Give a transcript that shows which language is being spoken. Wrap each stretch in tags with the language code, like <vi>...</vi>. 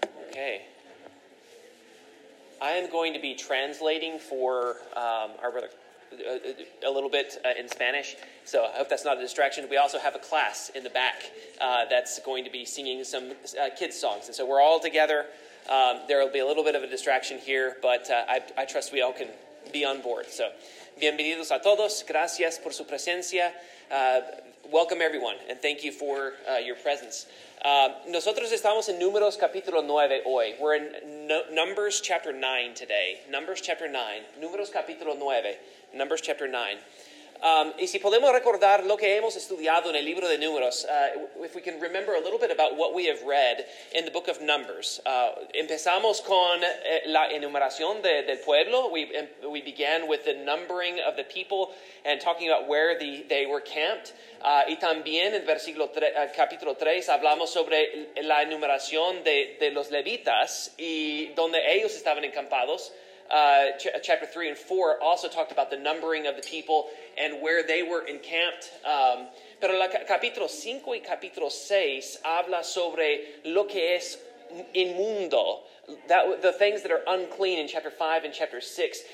<en>Okay. I am going to be translating for our brother a little bit in Spanish, so I hope that's not a distraction. We also have a class in the back that's going to be singing some kids' songs, and so we're all together. There will be a little bit of a distraction here, but I trust we all can be on board.</en> <es>So, bienvenidos a todos, gracias por su presencia.</es> <en>Welcome everyone, and thank you for your presence.</en> <es>Nosotros estamos en Números capítulo 9 hoy.</es> <en>We're in Numbers chapter 9 today. Numbers chapter 9.</en> <es>Números capítulo 9.</es> <en>Numbers chapter 9.</en> <es>Y si podemos recordar lo que hemos estudiado en el libro de Números,</es> <en>if we can remember a little bit about what we have read in the book of Numbers.</en> <es>Empezamos con la enumeración del pueblo.</es> <en>We began with the numbering of the people and talking about where they were camped.</en> <es>Y también en versículo capítulo 3 hablamos sobre la enumeración de los levitas y donde ellos estaban encampados.</es> <en>Chapter 3 and 4 also talked about the numbering of the people and where they were encamped.</en> <es>Pero la capítulo 5 y capítulo 6 habla sobre lo que es inmundo,</es> <en>the things that are unclean in chapter 5 and chapter 6.</en>